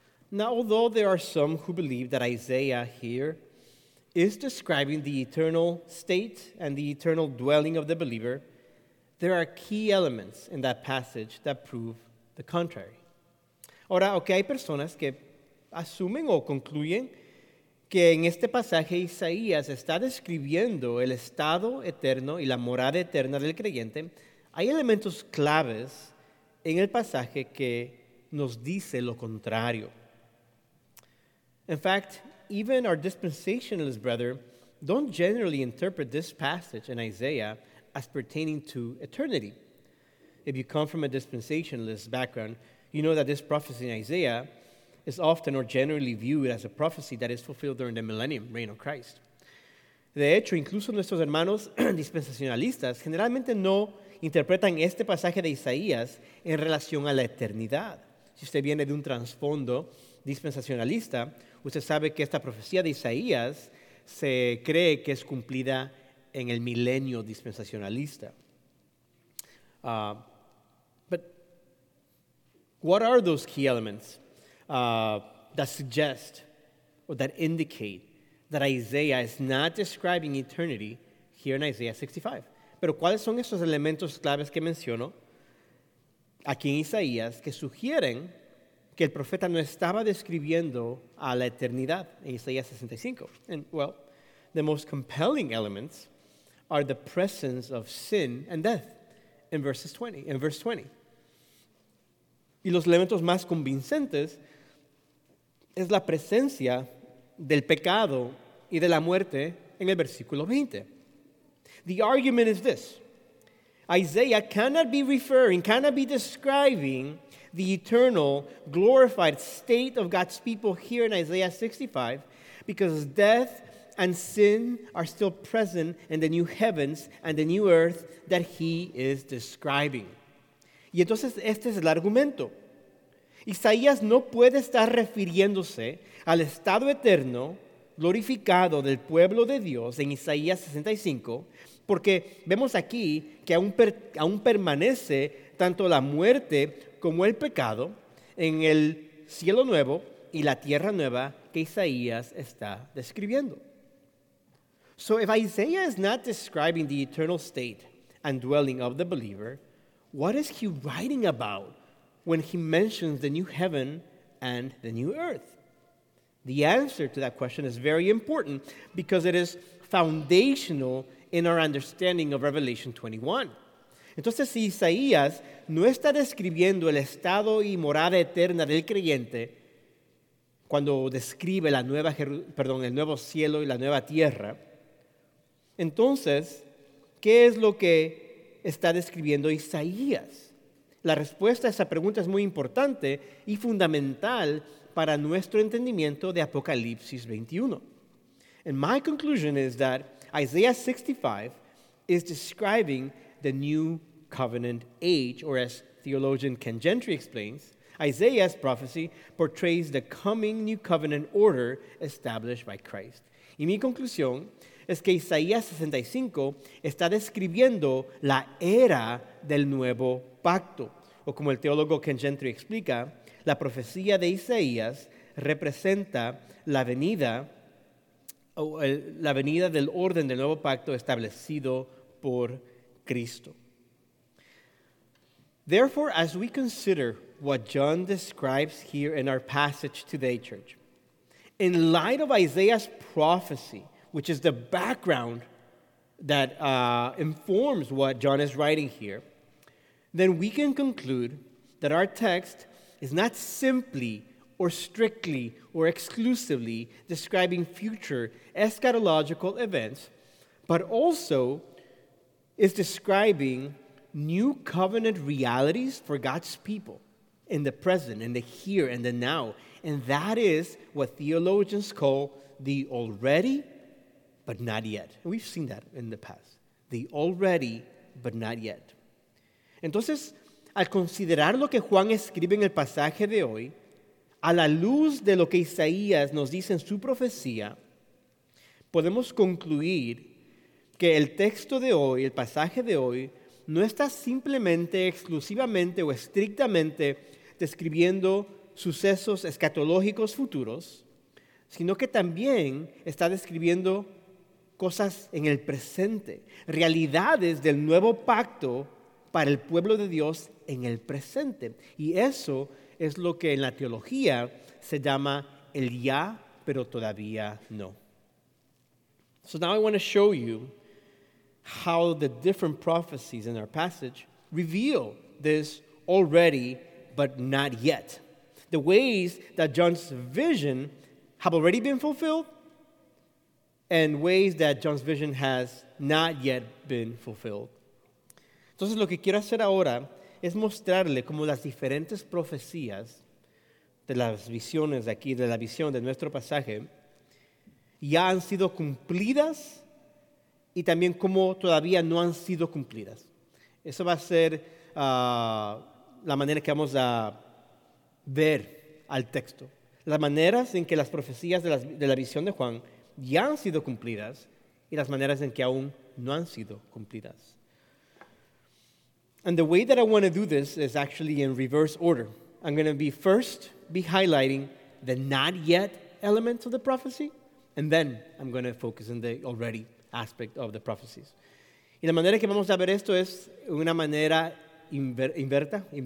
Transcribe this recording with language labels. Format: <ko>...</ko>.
<en>Now, although there are some who believe that Isaiah here is describing the eternal state and the eternal dwelling of the believer, there are key elements in that passage that prove the contrary.</en> <es>Ahora, okay, hay personas que asumen o concluyen que en este pasaje Isaías está describiendo el estado eterno y la morada eterna del creyente. Hay elementos claves en el pasaje que nos dice lo contrario.</es> <en>In fact, even our dispensationalist brethren don't generally interpret this passage in Isaiah as pertaining to eternity. If you come from a dispensationalist background, you know that this prophecy in Isaiah is often or generally viewed as a prophecy that is fulfilled during the millennium reign of Christ.</en> <es>De hecho, incluso nuestros hermanos dispensacionalistas generalmente no interpretan este pasaje de Isaías en relación a la eternidad. Si usted viene de un trasfondo dispensacionalista, usted sabe que esta profecía de Isaías se cree que es cumplida en el milenio dispensacionalista.</es> <en>But what are those key elements that suggest or that indicate that Isaiah is not describing eternity here in Isaiah 65?</en> <es>Pero ¿cuáles son esos elementos claves que menciono aquí en Isaías que sugieren que el profeta no estaba describiendo a la eternidad en Isaías 65?</es> <en>And, well, the most compelling elements are the presence of sin and death in verses 20.</en> <es>Y los elementos más convincentes es la presencia del pecado y de la muerte en el versículo 20.</es> <en>The argument is this. Isaiah cannot be describing the eternal, glorified state of God's people here in Isaiah 65, because death and sin are still present in the new heavens and the new earth that he is describing.</en> <es>Y entonces este es el argumento. Isaías no puede estar refiriéndose al estado eterno glorificado del pueblo de Dios en Isaías 65, porque vemos aquí que aún permanece tanto la muerte como el pecado en el cielo nuevo y la tierra nueva que Isaías está describiendo.</es> <en>So if Isaiah is not describing the eternal state and dwelling of the believer, what is he writing about when he mentions the new heaven and the new earth? The answer to that question is very important because it is foundational in our understanding of Revelation 21.</en> <es>Entonces, si Isaías no está describiendo el estado y morada eterna del creyente cuando describe la nueva, perdón, el nuevo cielo y la nueva tierra, entonces, ¿qué es lo que está describiendo Isaías? La respuesta a esa pregunta es muy importante y fundamental para nuestro entendimiento de Apocalipsis 21.</es> <en>And my conclusion is that Isaiah 65 is describing the new covenant age, or as theologian Ken Gentry explains, Isaiah's prophecy portrays the coming new covenant order established by Christ.</en> <es>Y mi conclusión es que Isaías 65 está describiendo la era del nuevo pacto. O como el teólogo Ken Gentry explica, la profecía de Isaías representa la venida del orden del nuevo pacto establecido por Cristo.</es> <en>Therefore, as we consider what John describes here in our passage today, church, in light of Isaiah's prophecy, which is the background that informs what John is writing here, then we can conclude that our text is not simply or strictly or exclusively describing future eschatological events, but also is describing new covenant realities for God's people in the present, in the here and the now. And that is what theologians call the already but not yet. We've seen that in the past. The already, but not yet.</en> <es>Entonces, al considerar lo que Juan escribe en el pasaje de hoy, a la luz de lo que Isaías nos dice en su profecía, podemos concluir que el texto de hoy, el pasaje de hoy, no está simplemente, exclusivamente o estrictamente describiendo sucesos escatológicos futuros, sino que también está describiendo cosas en el presente, realidades del nuevo pacto para el pueblo de Dios en el presente. Y eso es lo que en la teología se llama el ya, pero todavía no.</es> <en>So now I want to show you how the different prophecies in our passage reveal this already, but not yet. The ways that John's vision have already been fulfilled, and ways that John's vision has not yet been fulfilled.</en> <es>Entonces, lo que quiero hacer ahora es mostrarle cómo las diferentes profecías de las visiones de aquí, de la visión de nuestro pasaje, ya han sido cumplidas y también cómo todavía no han sido cumplidas. Eso va a ser la manera que vamos a ver al texto. Las maneras en que las profecías de la visión de Juan ya han sido cumplidas y las maneras en que aún no han sido cumplidas.</es> <en>And the way that I want to do this is actually in reverse order. I'm going to first be highlighting the not yet elements of the prophecy, and then I'm going to focus on the already aspect of the prophecies.</en> <es>Y la manera que vamos a ver esto es una manera inversa.</es>